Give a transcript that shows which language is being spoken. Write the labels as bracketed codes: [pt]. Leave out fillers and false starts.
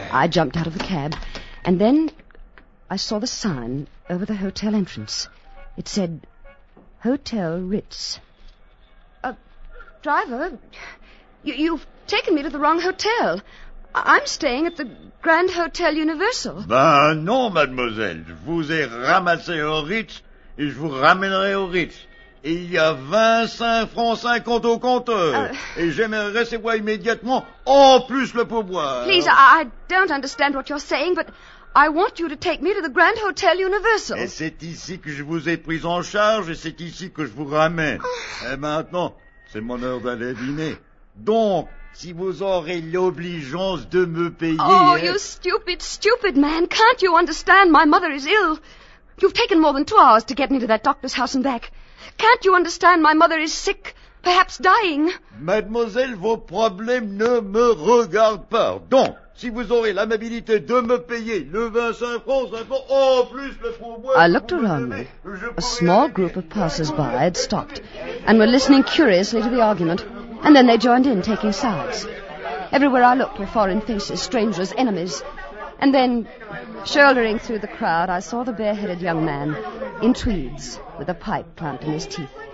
[en] I jumped out of the cab, and then I saw the sign over the hotel entrance. It said... Hotel Ritz. A Driver, you've taken me to the wrong hotel. I'm staying at the Grand Hotel Universal. [fr] Ben non, mademoiselle. Je vous ai ramassé au Ritz et je vous ramènerai au Ritz. Et il y a 25 francs 50 au compteur. Et j'aimerais recevoir immédiatement en plus le pourboire. [en] Please, I don't understand what you're saying, but I want you to take me to the Grand Hotel Universal. [fr] Et c'est ici que je vous ai pris en charge et c'est ici que je vous ramène. Et maintenant, c'est mon heure d'aller dîner. Donc, si vous aurez l'obligeance de me payer... [en] Oh, you stupid, stupid man. Can't you understand? My mother is ill. You've taken more than 2 hours to get me to that doctor's house and back. Can't you understand? My mother is sick, perhaps dying. [fr] Mademoiselle, vos problèmes ne me regardent pas. Donc, si vous aurez l'amabilité de me payer le 25 francs, en plus le pourboire... [en] I looked around me. A small group of passers-by had stopped and were listening curiously to the argument. And then they joined in, taking sides. Everywhere I looked were foreign faces, strangers, enemies. And then, shouldering through the crowd, I saw the bareheaded young man in tweeds with a pipe clamped in his teeth.